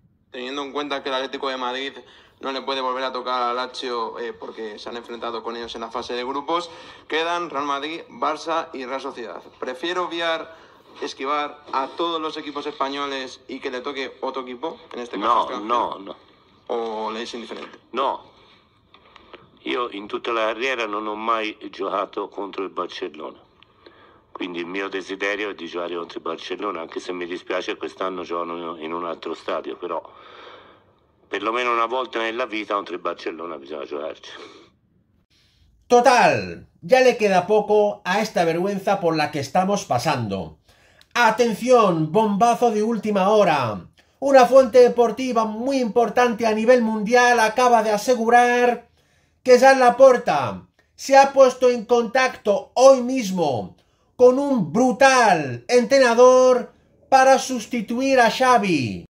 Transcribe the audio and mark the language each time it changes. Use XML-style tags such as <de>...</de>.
<es>Teniendo en cuenta que el Atlético de Madrid no le puede volver a tocar al Lazio porque se han enfrentado con ellos en la fase de grupos, quedan Real Madrid, Barça y Real Sociedad. ¿Prefiero esquivar a todos los equipos españoles y que le toque otro equipo? En este caso, No. ¿O le es indiferente? No.</es> <it>Io in tutta la carriera non ho mai giocato contro il Barcellona, quindi il mio desiderio è di giocare contro il Barcellona, anche se mi dispiace quest'anno giocano in un altro stadio, però perlomeno una volta nella vita contro il Barcellona bisogna giocarci.</it> <es>Total, ya le queda poco a esta vergüenza por la que estamos pasando. Atención, bombazo de última hora. Una fuente deportiva muy importante a nivel mundial acaba de asegurar que Jan Laporta se ha puesto en contacto hoy mismo con un brutal entrenador para sustituir a Xavi.</es>